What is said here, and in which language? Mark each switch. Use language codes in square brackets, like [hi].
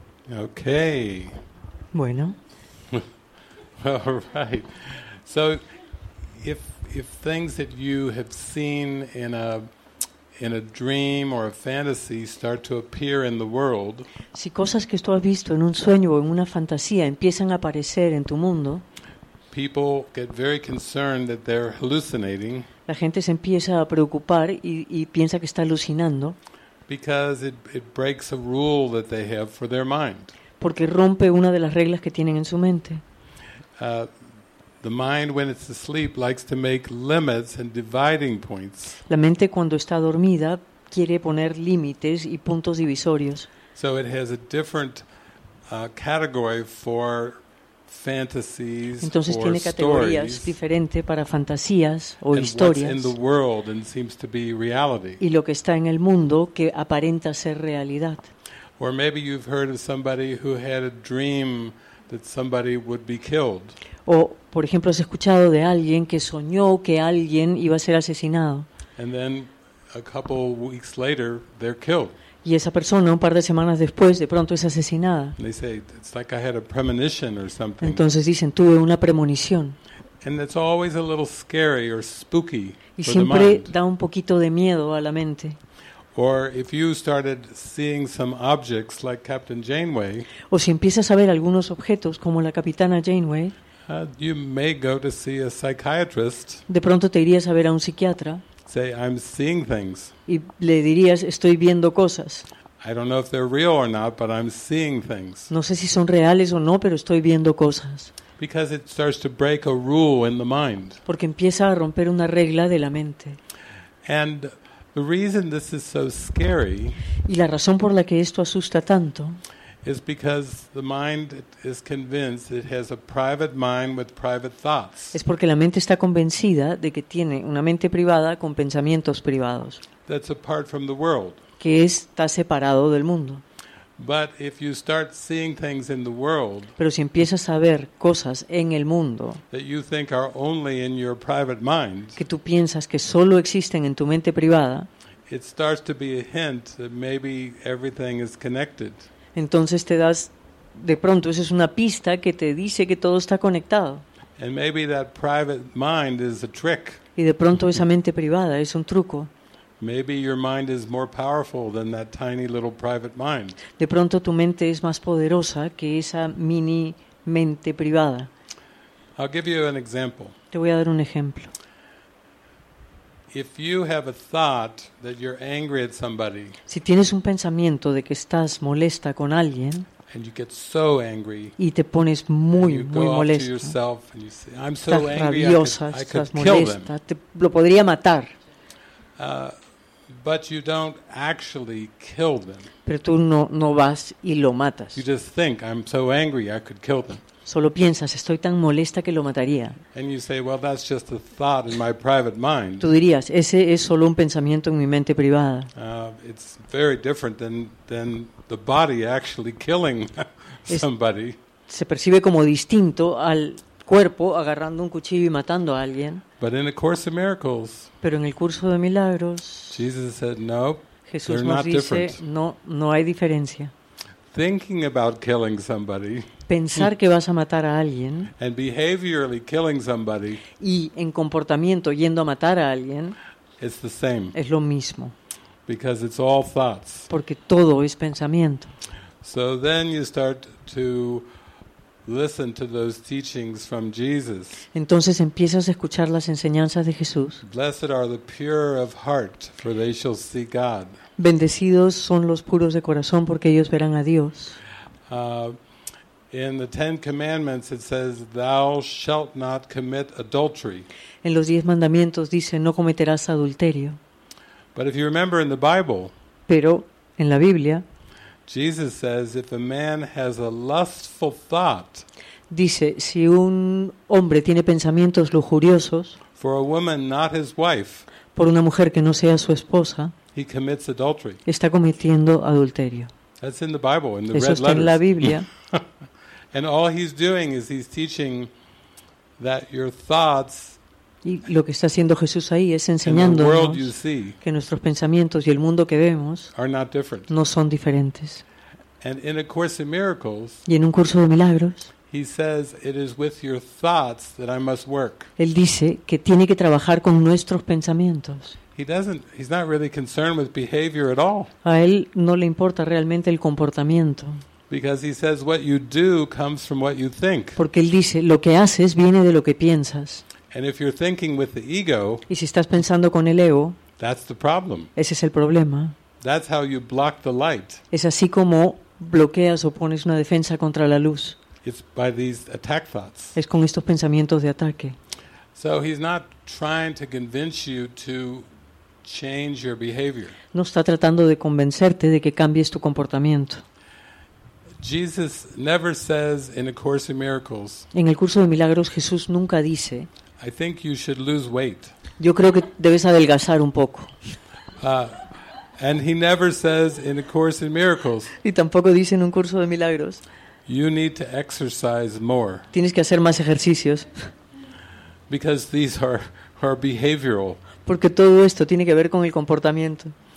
[en] Okay. [es] Bueno. [en] All right. So if things that you have seen in a dream or a fantasy start to appear in the world, [es] si cosas que tú has visto en un sueño o en una fantasía empiezan a aparecer en tu mundo, [en] people get very concerned that they're hallucinating. [es] La gente se empieza a preocupar y piensa que está alucinando. [en] Because it breaks a rule that they have for their mind. [es] Porque rompe una de las reglas que tienen en su mente. [en] The mind, when it's asleep, likes to make limits and dividing points. [es] La mente cuando está dormida quiere poner límites y puntos divisorios. [en] So it has a different category for fantasies. [es] Entonces [en] or [es] tiene categorías [en] stories, [es] diferentes para fantasías o [en] and [es] historias. [en] What's in the world and seems to be reality. [es] Y lo que está en el mundo que aparenta ser realidad. [en] Or maybe you've heard of somebody who had a dream that somebody would be killed. [es] O por ejemplo has escuchado de alguien que soñó que alguien iba a ser asesinado. [en] And then a couple weeks later they're killed. [es] Y esa persona un par de semanas después de pronto es asesinada. [en] And they say, it's like I had a premonition or something. [es] Entonces dicen tuve una premonición. [en] And it's always a little scary or spooky. [es] Y siempre da un poquito de miedo a la mente. [en] Or if you started seeing some objects like Captain Janeway, [es] o si empiezas a ver algunos objetos como la Capitana Janeway, [en] you may go to see a psychiatrist. [es] De pronto te irías a ver a un psiquiatra. [en] Say I'm seeing things. [es] Y le dirías estoy viendo cosas. [en] I don't know if they're real or not, but I'm seeing things. [es] No sé si son reales o no, pero estoy viendo cosas. [en] Because it starts to break a rule in the mind. [es] Porque empieza a romper una regla de la mente. [en] And the reason this is so scary, [es] y la razón por la que esto asusta tanto, [en] is because the mind is convinced it has a private mind with private thoughts. [es] Es porque la mente está convencida de que tiene una mente privada con pensamientos privados. [en] That's apart from the world. [es] Que está separado del mundo. [en] But if you start seeing things in the world, [es] pero si empiezas a ver cosas en el mundo, [en] that you think are only in your private mind, [es] que tú piensas que solo existen en tu mente privada, [en] it starts to be a hint that maybe everything is connected. [es] Entonces te das, de pronto, esa es una pista que te dice que todo está conectado. [en] And maybe that private mind is a trick. [es] Y de pronto esa mente privada es un truco. [en] Maybe your mind is more powerful than that tiny little private mind. [es] De pronto tu mente es más poderosa que esa mini mente privada. [en] I'll give you an example. [es] Te voy a dar un ejemplo. [en] If you have a thought that you're angry at somebody, [es] si tienes un pensamiento de que estás molesta con alguien, [en] And you get so angry. [es] Y te pones muy, muy molesta. [en] Say, [es] estás [en] so angry, [es] rabiosa, [en] I could [es] te lo podría matar. [en] But you don't actually kill them. [es] Pero tú no vas y lo matas. [en] You just think, I'm so angry, I could kill them. [es] Solo piensas, estoy tan molesta que lo mataría. [en] And you say, well, that's just a thought in my private mind. [es] Tú dirías, ese es solo un pensamiento en mi mente privada. [en] It's very different than the body actually killing somebody. [es] Se percibe como distinto al cuerpo agarrando un cuchillo y matando a alguien. [en] But in the course of miracles, [es] pero en el curso de milagros, [en] Jesus said, no, [es] Jesús [en] they're [es] nos [en] not [es] dice, [en] different. [es] No hay diferencia. [en] Thinking about killing somebody, [es] pensar que vas a matar a alguien, [en] and behaviorally killing somebody, [es] y en comportamiento yendo a matar a alguien, [en] it's the same. [es] Es lo mismo. [en] Because it's all thoughts. [es] Porque todo es pensamiento. [en] So then you start to listen to those teachings from Jesus. [es] Entonces empiezas a escuchar las enseñanzas de Jesús. [en] Blessed are the pure of heart, for they shall see God. [es] Bendecidos son los puros de corazón porque ellos verán a Dios. [en] In the Ten Commandments it says, thou shalt not commit adultery. [es] En los 10 mandamientos dice, no cometerás adulterio. [en] But if you remember in the Bible, [es] pero en la Biblia, [en] Jesus says, if a man has a lustful thought, [es] dice, si un hombre tiene pensamientos lujuriosos, [en] for a woman not his wife, [es] por una mujer que no sea su esposa, [en] he commits adultery. [es] Está cometiendo adulterio. [en] That's in the Bible, in the [es] eso [en] red letters. [es] Eso está en la Biblia. [en] And all he's doing is he's teaching that your thoughts, [es] y lo que está haciendo Jesús ahí es enseñándonos que nuestros pensamientos y el mundo que vemos no son diferentes. [en] And in a course of miracles, [es] y en un curso de milagros, [en] he says, it is with your thoughts that I must work. [es] Él dice que tiene que trabajar con nuestros pensamientos. [en] He's not really concerned with behavior at all. [es] A él no le importa realmente el comportamiento. [en] Because he says what you do comes from what you think. [es] Porque él dice lo que haces viene de lo que piensas. [en] And if you're thinking with the ego, [es] y si estás pensando con el ego, [en] that's the problem. [es] Ese es el problema. [en] That's how you block the light. [es] Es así como bloqueas o pones una defensa contra la luz. [en] It's by these attack thoughts. [es] Es con estos pensamientos de ataque. [en] So he's not trying to convince you to change your behavior. [es] No está tratando de convencerte de que cambies tu comportamiento. [en] Jesus never says in a course of miracles. [es] En el curso de milagros Jesús nunca dice, [en] I think you should lose weight. [es] Yo creo que debes adelgazar un poco. [en] And he never says in a course of miracles. [es] Y tampoco dice en un curso de milagros. [en] You need to exercise more. [es] Tienes que hacer más ejercicios. [en] Because these are behavioral. [es] Porque todo esto tiene que ver con el comportamiento.